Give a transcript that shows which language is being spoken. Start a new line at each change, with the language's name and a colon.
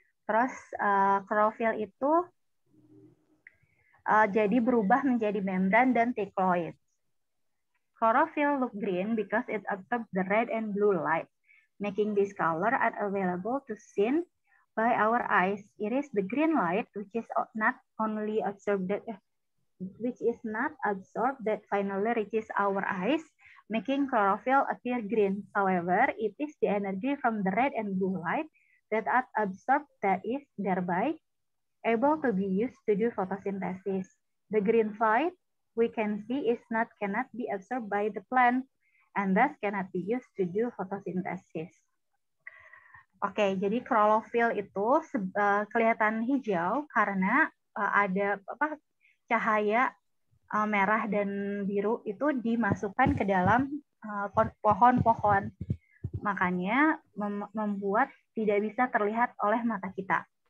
Indonesian: Terus klorofil itu jadi berubah menjadi membran dan tetraploid.
English: Chlorophyll look green because it absorbs the red and blue light, making this color unavailable to seen by our eyes. It is the green light which is not only absorbed, which is not absorbed that finally reaches our eyes, making chlorophyll appear green. However, it is the energy from the red and blue light that are absorbed that is thereby able to be used to do photosynthesis. The green light we can see is not cannot be absorbed by the plant and thus cannot be used to do photosynthesis.
Indonesian: Okay, jadi chlorophyll itu kelihatan hijau karena ada apa cahaya merah dan biru itu dimasukkan ke dalam pohon-pohon. Makanya membuat tidak bisa terlihat oleh mata kita.